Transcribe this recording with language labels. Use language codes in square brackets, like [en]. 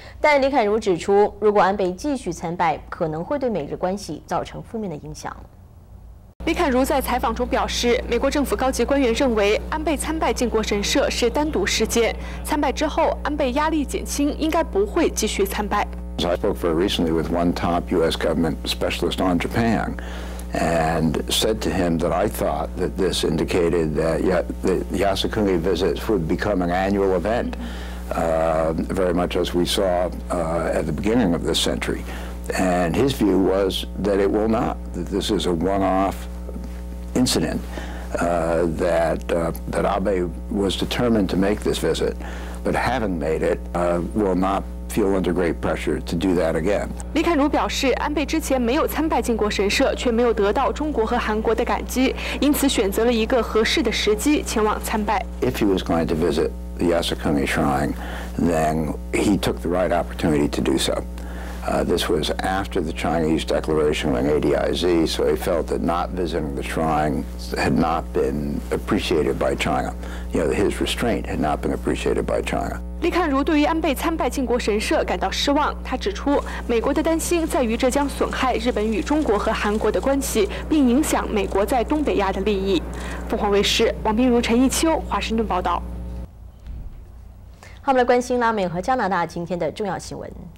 [zh] 但李侃如指出，如果安倍继续参拜，可能会对美日关系造成负面的影响。李侃如在采访中表示，美国政府高级官员认为安倍参拜靖国神社是单独事件，参拜之后安倍压力减轻，应该不会继续参拜。 [en] I spoke very recently with one top U.S. government specialist on Japan and said to him that I thought that this indicated that the Yasukuni visits would become an annual event, very much as we saw at the beginning of this century. And his view was that it will not, that this is a one-off incident, that Abe was determined to make this visit, but having made it will notfeel under great pressure to do that again. [zh] 李侃如表示，安倍之前没有参拜靖国神社，却没有得到中国和韩国的感激，因此选择了一个合适的时机前往参拜。 [en] If he was going to visit the Yasukuni Shrine, then he took the right opportunity to do so. This was after the Chinese declaration on ADIZ, so he felt that not visiting the shrine had not been appreciated by China. You know, his restraint had not been appreciated by China. [zh] 李侃如对于安倍参拜靖国神社感到失望，他指出，美国的担心在于这将损害日本与中国和韩国的关系，并影响美国在东北亚的利益。凤凰卫视王冰如、陈一秋华盛顿报道。好，我们来关心拉美和加拿大今天的重要新闻。